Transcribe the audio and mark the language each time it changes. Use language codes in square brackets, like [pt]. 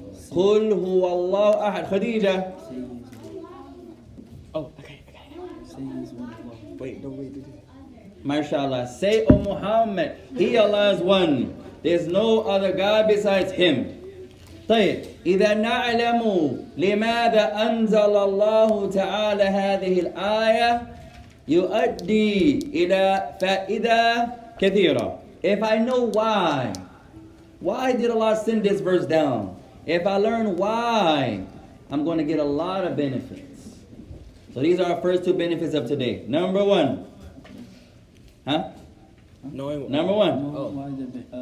[ar] قُلْ هُوَ اللَّهُ أَحَدْ. Khadija. [en] Oh, okay. Wait. MashaAllah. Say, O Muhammad, He Allah is one. There's no other God besides Him. [ar] طيب. إِذَا نَعْلَمُ لِمَاذَا أَنزَلَ اللَّهُ تَعَالَى هَذِهِ الْآيَةِ يؤدي إلى فائدة كثيرة. [en] If I know why did Allah send this verse down? If I learn why, I'm going to get a lot of benefits. So these are our first two benefits of today. Number one. Huh? Number one.